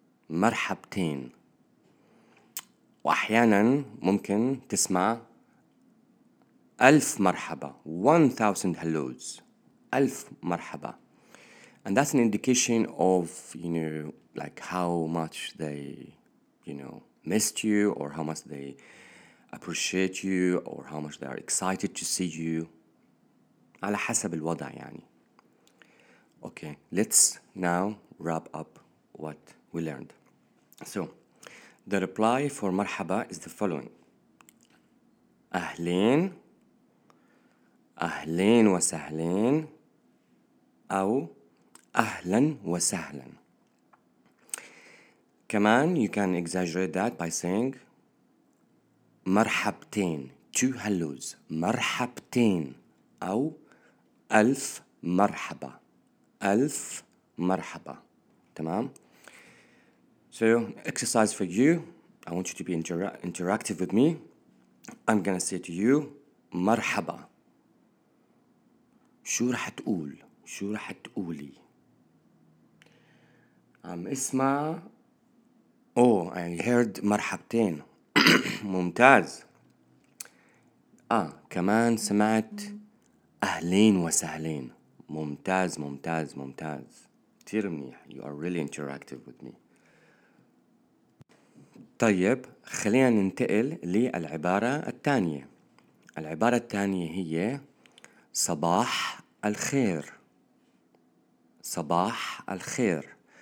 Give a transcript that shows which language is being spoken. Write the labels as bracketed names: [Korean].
[Arabic] مرحبتين. وأحياناً ممكن تسمع ألف مرحبا, [English] 1,000 hellos. [Arabic] ألف مرحبا. [English] And that's an indication of, you know, like, how much they, you know, missed you, or how much they appreciate you, or how much they are excited to see you. [Arabic] على حسب الوضع يعني. [English] Okay, let's now wrap up what we learned. So, the reply for مرحبا is the following. [Arabic] أهلين, أهلين وسهلين, أو أهلا وسهلا. [English] كمان, you can exaggerate that by saying مرحبتين, two hellos, مرحبتين, [Arabic] أو ألف مرحبا, ألف مرحبا. تمام؟ [English] So, exercise for you. I want you to be interactive with me. I'm gonna say to you, مرحبا. [Arabic] شو رح تقول؟ شو رح تقولي؟ عم اسمع. [English] Oh, I heard مرحبتين. [Arabic] ممتاز. كمان سمعت أهلين وسهلين. ممتاز, ممتاز, ممتاز. كتير منيح. [English] You are really interactive with me. [Arabic] طيب, خلينا ننتقل للعبارة الثانية. العبارة الثانية هي صباح الخير. صباح الخير.